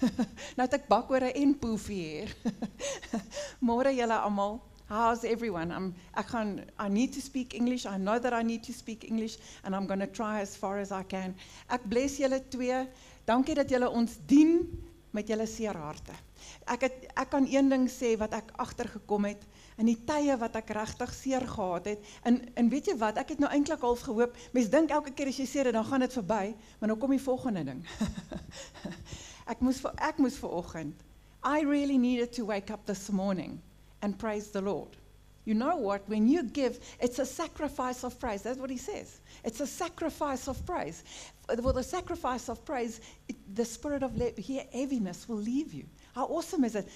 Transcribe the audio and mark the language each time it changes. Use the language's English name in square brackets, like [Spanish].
[Afrikaans] Nou het ek bakore en [English] poofie hair. [Afrikaans] Môre julle almal, [English] how's everyone? I need to speak English, I know that I need to speak English, and I'm going to try as far as I can. [Afrikaans] Ek bless julle twee, dankie dat julle ons dien met julle seer harte. Ek kan een ding sê wat ek agtergekom het, in die tye wat ek regtig seer gehad het, en weet jy wat, ek het nou eintlik half gehoop, mens dink elke keer as jy seer het, dan gaan dit verby, maar nou kom die volgende ding. ek moes vanoggend, [English] I really needed to wake up this morning and praise the Lord. You know what, when you give, it's a sacrifice of praise, that's what he says. It's a sacrifice of praise. Well, the sacrifice of praise, the spirit of heaviness will leave you. How awesome is it?